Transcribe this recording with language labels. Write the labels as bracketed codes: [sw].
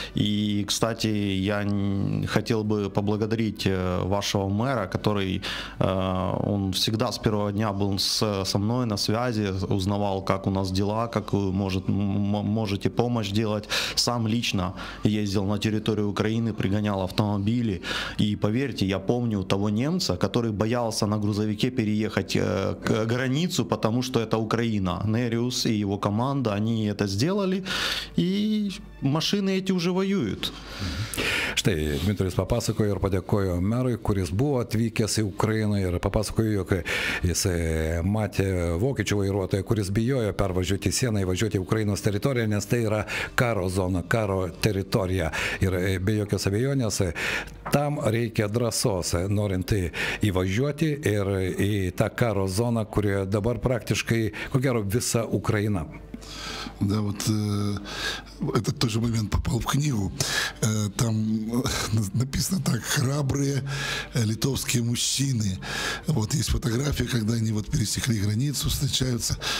[ru] И, кстати, я хотел бы поблагодарить вашего мэра, который он всегда с первого дня был со мной на связи, узнавал, как у нас дела, как вы можете помощь делать, сам лично ездил на территорию Украины, пригонял автомобили. И поверьте, я помню того немца, который боялся на грузовике переехать к границу, потому что это Украина. Нериус и его команда, они это сделали, и машины эти уже воюют. [lt] Štai, Dmitrijus papasakojo ir padėkojo merui, kuris buvo atvykęs į Ukrainą ir papasakojo, jog jis matė vokiečių vairuotoją, kuris bijojo pervažiuoti sieną ir važiuoti į Ukrainos teritoriją, nes tai yra karo zona, karo teritorija. Ir be jokios abejonės, tam reikia drąsos, norint įvažiuoti ir į tą karo zoną, kurioje dabar praktiškai, ko gero, visa Ukraina. [ru] Да, вот этот тоже момент попал в книгу. Там написано так: храбрые литовские мужчины. Вот есть фотографии, когда они вот пересекли границу, встречаются.